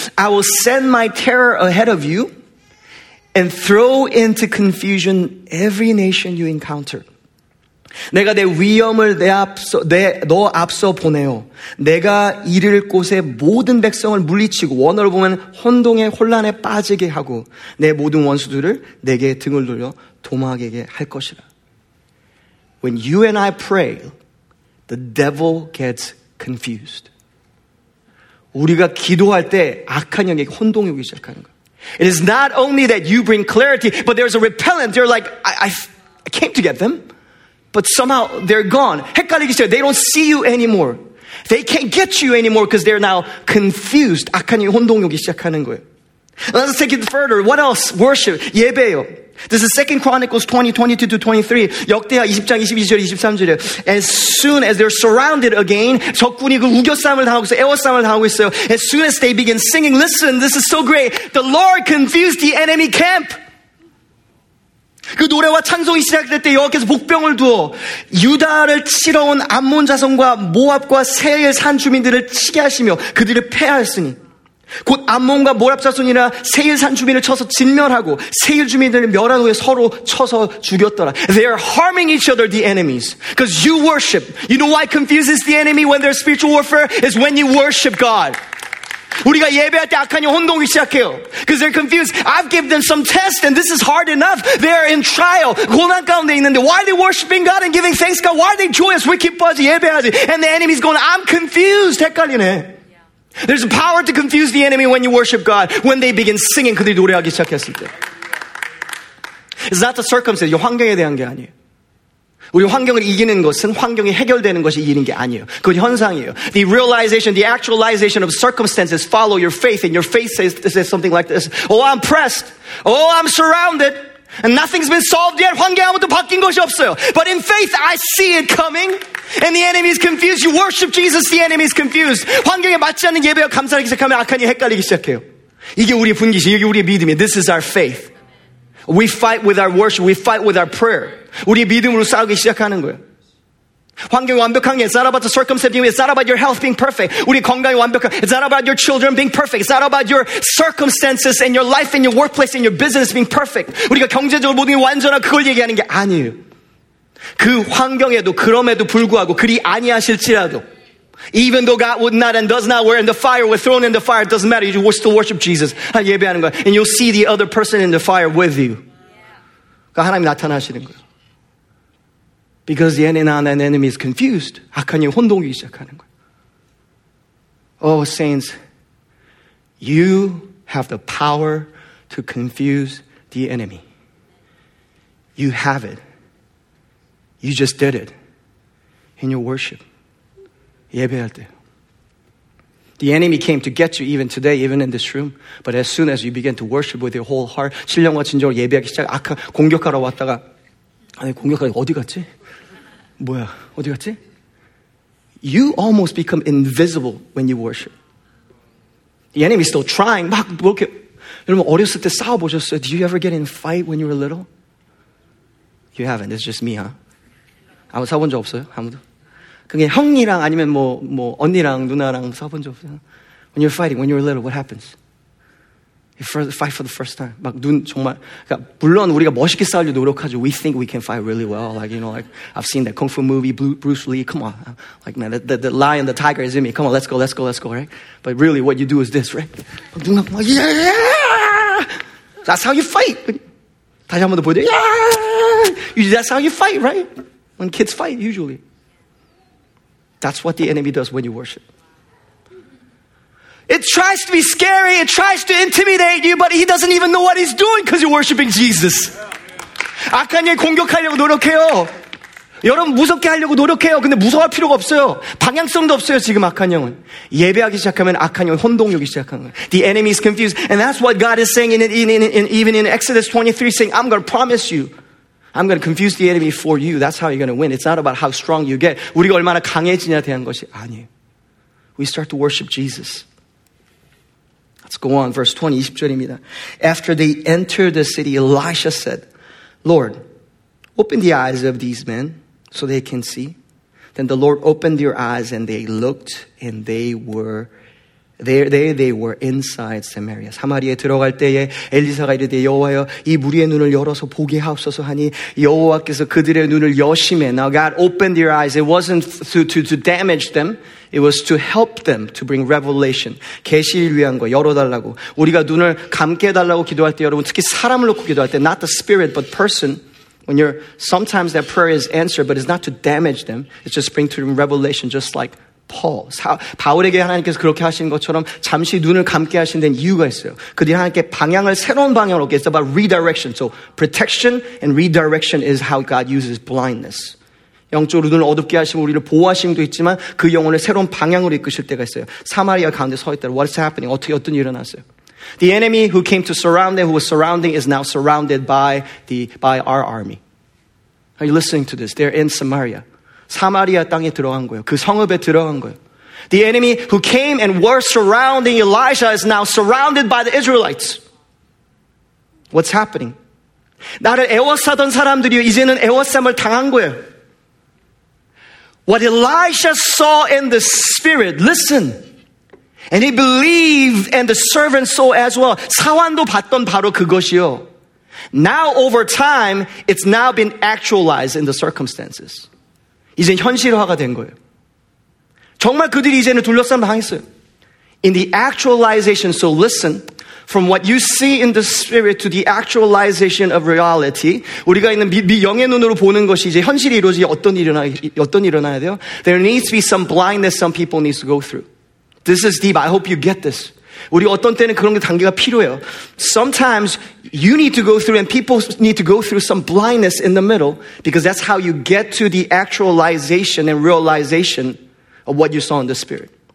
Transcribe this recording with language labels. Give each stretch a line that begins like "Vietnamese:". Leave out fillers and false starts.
English: I will send my terror ahead of you and throw into confusion every nation you encounter.
Korean: 내가 내 위엄을 너 앞서 보내요. 내가 이를 곳에 모든 백성을 물리치고 원어로 보면 혼동의 혼란에 빠지게 하고 내 모든 원수들을 내게 등을 돌려 도망하게 할 것이라.
English: When you and I pray, the devil gets confused.
Korean: 우리가 기도할 때 악한 영이 혼동이 오기 시작하는 거예요.
English: It is not only that you bring clarity, but there's a repellent. They're like, I came to get them. But somehow they're gone.
Korean: 헷갈리기 시작해.
English: They don't see you anymore. They can't get you anymore because they're now confused.
Korean: 악한 영이 혼동이 오기 시작하는 거예요.
English: Let's take it further. What else? Worship.
Korean: 예배요.
English: This is 2 Chronicles 20, 22 to 23.
Korean: 역대하 20장 22절 23절에
English: As soon as they're surrounded again,
Korean: 적군이 그 우겨쌈을 당하고 있어요. 에워쌈을 당하고 있어요.
English: As soon as they begin singing, listen, this is so great. The Lord confused the enemy camp.
Korean: 그 노래와 찬송이 시작될 때 여호와께서 복병을 두어 유다를 치러 온 암몬 자손과 모압과 세일 산 주민들을 치게 하시며 그들을 패하였으니 곧 암몬과 모압 자손이나 세일 산 주민을 쳐서 진멸하고 세일 주민들을 멸한 후에 서로 쳐서 죽였더라.
English: They are harming each other, the enemies. Because you worship. You know why it confuses the enemy when there's spiritual warfare? It's when you worship God.
Korean: 우리가 예배할 때 악한 영 혼동이 시작해요.
English: Because they're confused. I've given them some test and this is hard enough. They're in trial.
Korean: 고난 가운데 있는데
English: why are they worshiping God and giving thanks to God? Why are they joyous?
Korean: 왜 기뻐하지? 예배하지?
English: And the enemy's going, I'm confused.
Korean: 헷갈리네.
English: There's a power to confuse the enemy when you worship God. When they begin singing,
Korean: 그들이 노래하기 시작했을 때.
English: It's not the circumstance.
Korean: 이 환경에 대한 게 아니에요. 우리 환경을 이기는 것은 환경이 해결되는 것이 이기는 게 아니에요. 그건 현상이에요.
English: The realization, the actualization of circumstances follow your faith, and your faith says something like this. Oh, I'm pressed. Oh, I'm surrounded. And nothing's been solved yet.
Korean: 환경 아무도 바뀐 것이 없어요.
English: But in faith, I see it coming. And the enemy is confused. You worship Jesus, the enemy is confused.
Korean: 환경에 맞지 않는 예배와 감사하기 시작하면 악한 일이 헷갈리기 시작해요. 이게 우리의 분기시, 이게 우리의 믿음이에요.
English: This is our faith. We fight with our worship, we fight with our prayer.
Korean: 우리의 믿음으로 싸우기 시작하는 거예요. 환경이 완벽한 게,
English: it's not about the circumstances, it's not about your health being perfect.
Korean: 우리 건강이 완벽한,
English: it's not about your children being perfect, it's not about your circumstances and your life and your workplace and your business being perfect.
Korean: 우리가 경제적으로 모든 게 완전한 그걸 얘기하는 게 아니에요. 그 환경에도 그럼에도 불구하고 그리 아니하실지라도
English: even though God would not and does not wear in the fire, we're thrown in the fire, it doesn't matter, you still worship Jesus.
Korean: 예배하는 거야.
English: And you'll see the other person in the fire with you.
Korean: 그러니까 하나님이 나타나시는 거예요.
English: Because the enemy is confused.
Korean: 악한 영이 혼동이 시작하는 거예요.
English: Oh, saints, you have the power to confuse the enemy. You have it. You just did it in your worship.
Korean: 예배할 때.
English: The enemy came to get you even today, even in this room. But as soon as you begin to worship with your whole heart,
Korean: 신령과 진정으로 예배하기 시작, 악한 공격하러 왔다가, 아니, 공격하러 어디 갔지? 뭐야? 어디 갔지?
English: You almost become invisible when you worship. The enemy is still trying.
Korean: 막 이렇게 여러분 어렸을 때 싸워 보셨어요?
English: Do you ever get in fight when you were little? You haven't. It's just me, huh?
Korean: 아무 싸워본 적 없어요? 아무도. 그게 형이랑 아니면 뭐 언니랑 누나랑 싸워본 적 없어요?
English: When you're fighting, when you were little, what happens? Fight for the first time.
Korean: 막 눈 정말. 그러니까 물론 우리가 멋있게 싸우려고 노력하죠.
English: We think we can fight really well. Like, you know, like I've seen that kung fu movie, Bruce Lee. Come on. Like, man, the lion, the tiger is in me. Come on, let's go, let's go, let's go, right? But really, what you do is this, right?
Korean: 막 눈 막,
English: yeah! That's how you fight.
Korean: 다시 한 번 더 보여줘.
English: Yeah! That's how you fight, right? When kids fight, usually. That's what the enemy does when you worship. It tries to be scary. It tries to intimidate you, but he doesn't even know what he's doing because you're worshiping Jesus.
Korean: 악한 영이 공격하려고 노력해요. 여러분 무섭게 하려고 노력해요. 근데 무서워할 필요가 없어요. 방향성도 없어요. 지금 악한 영은 예배하기 시작하면 악한 영 혼동력이 시작한 거예요.
English: The enemy is confused, and that's what God is saying in Exodus 23, saying, "I'm going to promise you, I'm going to confuse the enemy for you. That's how you're going to win. It's not about how strong you get.
Korean: 우리가 얼마나 강해지냐 대한 것이 아니에요.
English: We start to worship Jesus." Let's go on, verse 20,
Korean: 20절입니다.
English: After they entered the city, Elisha said, Lord, open the eyes of these men so they can see. Then the Lord opened their eyes and they looked and they were They were inside Samaria.
Korean: 사마리아에 들어갈 때에 엘리사가 이르되 여호와여 이 무리의 눈을 열어서 보게 하옵소서 하니 여호와께서 그들의 눈을 여심에
English: Now God opened their eyes. It wasn't to damage them. It was to help them to bring revelation.
Korean: 계시를 위한 거 열어달라고. 우리가 눈을 감게 해달라고 기도할 때 여러분 특히 사람을 놓고 기도할 때
English: not the spirit but person. When you're, sometimes that prayer is answered, but it's not to damage them. It's just bring to them revelation, just like Paul.
Korean: 바울에게 하나님께서 그렇게 하신 것처럼 잠시 눈을 감게 하신 데는 이유가 있어요. 그들이 하나님께 방향을 새로운 방향으로
English: It's about redirection. So protection and redirection is how God uses blindness.
Korean: 영적으로 눈을 어둡게 하시고 우리를 보호하심도 있지만 그 영혼을 새로운 방향으로 이끄실 때가 있어요. 사마리아 가운데 서 있다.
English: What's happening?
Korean: 어떤 일이 일어났어요?
English: The enemy who came to surround them, who was surrounding, is now surrounded by our army. Are you listening to this? They're in Samaria.
Korean: 사마리아 땅에 들어간 거예요. 그 성읍에 들어간 거예요.
English: The enemy who came and were surrounding Elijah is now surrounded by the Israelites. What's happening?
Korean: 나를 애워싸던 사람들이 이제는 애워쌈을 당한 거예요.
English: What Elijah saw in the spirit, listen. And he believed, and the servant saw as well.
Korean: 사환도 봤던 바로 그것이요.
English: Now, over time, it's now been actualized in the circumstances.
Korean: 이제 현실화가 된 거예요. 정말 그들이 이제는 둘러싼 방했어요.
English: In the actualization, so listen, from what you see in the spirit to the actualization of reality,
Korean: 우리가 있는 영의 눈으로 보는 것이 이제 현실이 이루어지 어떤 일이 일어나야 돼요?
English: There needs to be some blindness some people need to go through. This is deep. I hope you get this.
Korean: 우리 어떤 때는 그런 게 단계가 필요해요.
English: Sometimes you need to go through and people need to go through some blindness in the middle because that's how you get to the actualization and realization of what you saw in the spirit.